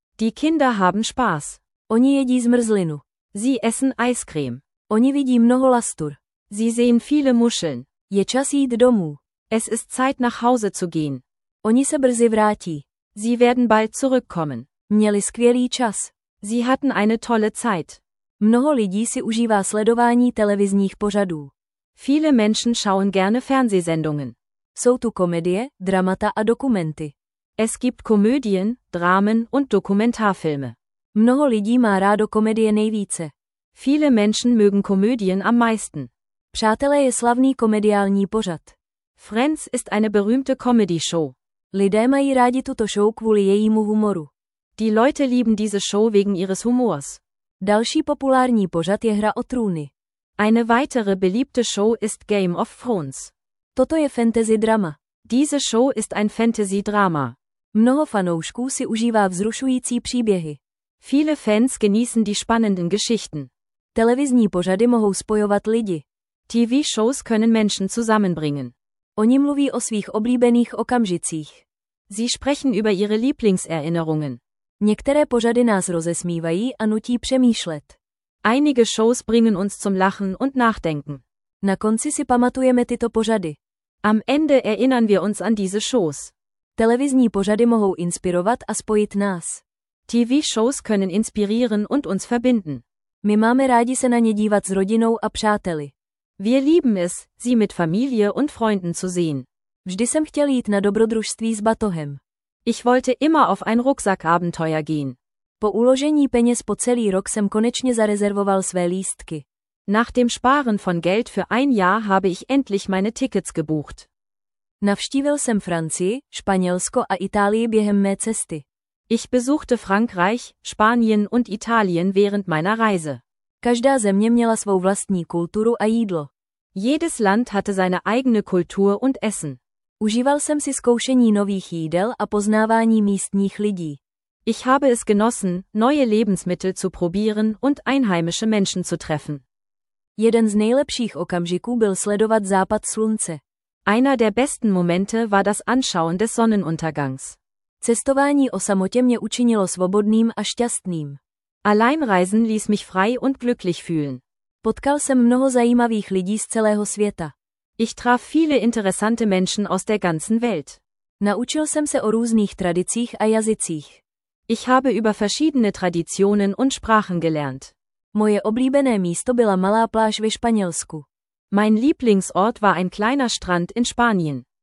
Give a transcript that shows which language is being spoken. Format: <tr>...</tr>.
<de>Die Kinder haben Spaß.</de> <cs>Oni jedí zmrzlinu.</cs> <de>Sie essen Eiscreme.</de> <cs>Oni vidí mnoho lastur.</cs> <de>Sie sehen viele Muscheln.</de> <cs>Je čas jít domů.</cs> <de>Es ist Zeit nach Hause zu gehen.</de> <cs>Oni se brzy vrátí.</cs> <de>Sie werden bald zurückkommen.</de> <cs>Měli skvělý čas.</cs> <de>Sie hatten eine tolle Zeit.</de> <cs>Mnoho lidí si užívá sledování televizních pořadů.</cs> <de>Viele Menschen schauen gerne Fernsehsendungen.</de> <cs>Jsou tu komedie, dramata a dokumenty.</cs> <de>Es gibt Komödien, Dramen und Dokumentarfilme.</de> <cs>Mnoho lidí má rádo komedie nejvíce.</cs> <de>Viele Menschen mögen Komödien am meisten.</de> <cs>Přátelé je slavný komediální pořad.</cs> <de>Friends ist eine berühmte Comedy Show.</de> <cs>Lidé mají rádi tuto show kvůli jejímu humoru.</cs> <de>Die Leute lieben diese Show wegen ihres Humors.</de> <cs>Další populární pořad je Hra o trůny.</cs> <de>Eine weitere beliebte Show ist Game of Thrones.</de> <cs>Toto je fantasy drama.</cs> <de>Diese Show ist ein Fantasy Drama.</de> <cs>Mnoho fanoušků si užívá vzrušující příběhy.</cs> <de>Viele Fans genießen die spannenden Geschichten.</de> <cs>Televizní pořady mohou spojovat lidi.</cs> <de>TV-Shows können Menschen zusammenbringen.</de> <cs>Oni mluví o svých oblíbených okamžicích.</cs> <de>Sie sprechen über ihre Lieblingserinnerungen.</de> <cs>Některé pořady nás rozesmívají a nutí přemýšlet.</cs> <de>Einige Shows bringen uns zum Lachen und Nachdenken.</de> <cs>Na konci si pamatujeme tyto pořady.</cs> <de>Am Ende erinnern wir uns an diese Shows.</de> <cs>Televizní pořady mohou inspirovat a spojit nás.</cs> <de>TV-Shows können inspirieren und uns verbinden.</de> <cs>My máme rádi se na ně dívat s rodinou a přáteli.</cs> <de>Wir lieben es, sie mit Familie und Freunden zu sehen.</de> <cs>Vždy jsem chtěl jít na dobrodružství s batohem.</cs> <de>Ich wollte immer auf ein Rucksackabenteuer gehen.</de> <cs>Po uložení peněz po celý rok jsem konečně zarezervoval své lístky.</cs> <de>Nach dem Sparen von Geld für ein Jahr habe ich endlich meine Tickets gebucht.</de> <cs>Navštívil jsem Francii, Španělsko a Itálii během mé cesty.</cs> <de>Ich besuchte Frankreich, Spanien und Italien während meiner Reise.</de> <cs>Každá země měla svou vlastní kulturu a jídlo.</cs> <de>Jedes Land hatte seine eigene Kultur und Essen.</de> <cs>Užíval jsem si zkoušení nových jídel a poznávání místních lidí.</cs> <de>Ich habe es genossen, neue Lebensmittel zu probieren und einheimische Menschen zu treffen.</de> <cs>Jeden z nejlepších okamžiků byl sledovat západ slunce.</cs> <de>Einer der besten Momente war das Anschauen des Sonnenuntergangs.</de> <cs>Cestování o samotě mě učinilo svobodným a šťastným.</cs> <de>Alleinreisen ließ mich frei und glücklich fühlen.</de> <cs>Potkal jsem mnoho zajímavých lidí z celého světa.</cs> <de>Ich traf viele interessante Menschen aus der ganzen Welt.</de> <cs>Naučil jsem se o různých tradicích a jazycích.</cs> <de>Ich habe über verschiedene Traditionen und Sprachen gelernt.</de> <cs>Moje oblíbené místo byla malá pláž ve Španělsku.</cs> <de>Mein Lieblingsort war ein kleiner Strand in Spanien.</de>